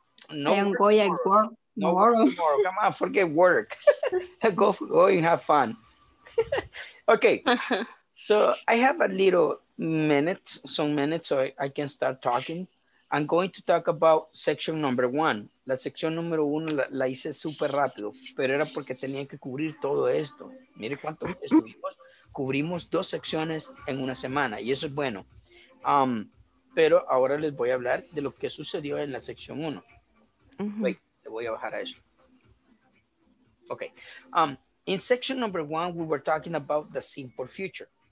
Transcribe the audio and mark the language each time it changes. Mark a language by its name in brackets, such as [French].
[English] No, I'm going to work. Come on, forget work. go and have fun. Okay, so I have a little minute, some minutes, so I can start talking. I'm going to talk about section number one. [Spanish] La sección número uno la hice súper rápido, pero era porque tenía que cubrir todo esto. Mire cuánto estuvimos. Cubrimos dos secciones en una semana, y eso es bueno. Pero ahora les voy a hablar de lo que sucedió en la sección uno. Uh-huh. [English] Wait, [Spanish] le voy a bajar a eso. Okay. [English] In section number one, we were talking about the simple future.